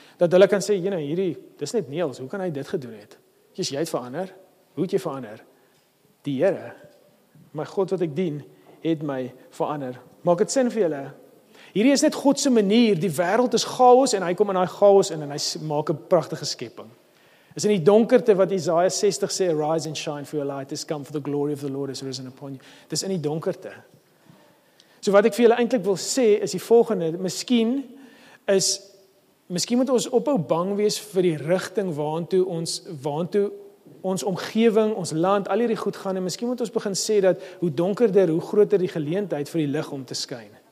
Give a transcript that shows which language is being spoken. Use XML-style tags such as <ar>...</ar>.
<af>Dat hulle kan sê, jene, hierdie, dis net Niels, hoe kan hy dit gedoen het? Jy het verander, hoe het jy verander? Die Here, my God wat ek dien, het my verander. Maak het sin vir julle? Hierdie is net Godse manier, die wereld is chaos en hy kom in die chaos in en hy maak 'n prachtige skepping. Is in die donkerte wat Isaiah 60 sê,</af> <en>arise and shine for your light, has come for the glory of the Lord has risen upon you.</en> <af>Dit is in die donkerte. So wat ek vir julle eintlik wil sê, is die volgende, miskien moet ons ophou bang wees vir die richting waantoe ons omgeving, ons land, al hierdie goed gaan, en miskien moet ons begin sê dat hoe donkerder, hoe groter die geleentheid vir die lig om te skyn.</af>